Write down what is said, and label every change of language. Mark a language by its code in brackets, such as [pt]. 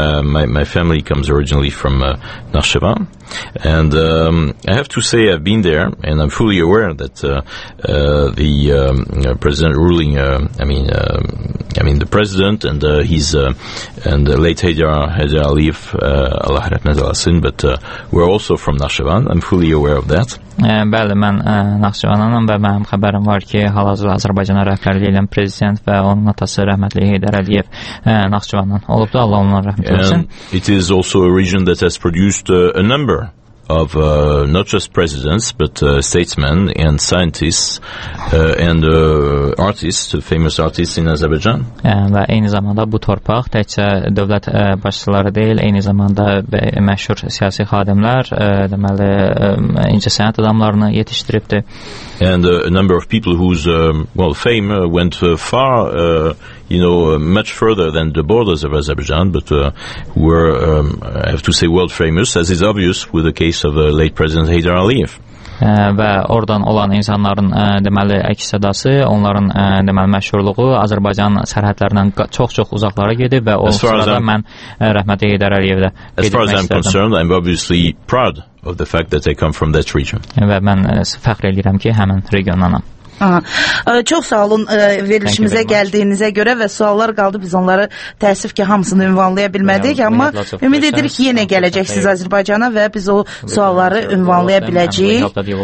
[en] My family comes originally from Nakhchivan. And I have to say I've been there, and I'm fully aware that the president and late Haider Aliyev, [az] Allah rahmet eylesin, [en] but we're also from Nakhchivan. I'm fully aware of that. [az] Bəli, mən Nakhchivanam və mənim xəbərim var ki, hal-hazırda Azərbaycana rəhbərlik edən prezident və onun atası rəhmətli Heydər Əliyev Nakhchivandan olubdu. Allah onlara rəhmət eləsin. [en] It is also a region that has produced a number of not just presidents, but statesmen and scientists and artists, famous artists in Azerbaijan. [az] Və eyni zamanda bu torpaq təkcə dövlət başçıları deyil, eyni zamanda məşhur siyasi xadimlər, deməli, incəsənət adamlarını yetişdiribdi. [en] And a number of people whose fame went far, much further than the borders of Azerbaijan, but were, I have to say, world famous, as is obvious with the case of late President Heydar Aliyev. [az] Və oradan olan insanların deməli əks-sədası, onların deməli məşhurluğu Azərbaycan sərhədlərindən çox-çox uzaqlara gedib və o sırada mən rəhmətli Heydər Əliyevə də gedib məşhurdum. [en] As far as I'm concerned, I'm obviously proud of the fact that I come from that region. [az] Və mən fəxr edirəm ki, həmin regionanam. Çox sağ olun verilişimizə gəldiyinizə görə və suallar qaldı, biz onları təəssüf ki, hamısını ünvanlaya bilmədik, amma ümid edirik ki, yenə gələcəksiniz Azərbaycana və biz o sualları ünvanlaya biləcəyik.